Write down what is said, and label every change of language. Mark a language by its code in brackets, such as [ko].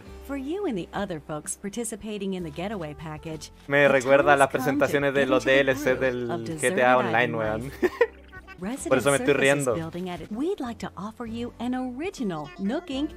[en] For you and the other folks participating in the getaway package. [es] Me recuerda a las presentaciones de los DLC del GTA Online, weón. Por eso me estoy riendo. [en] We'd like to offer you an original Nook Inc.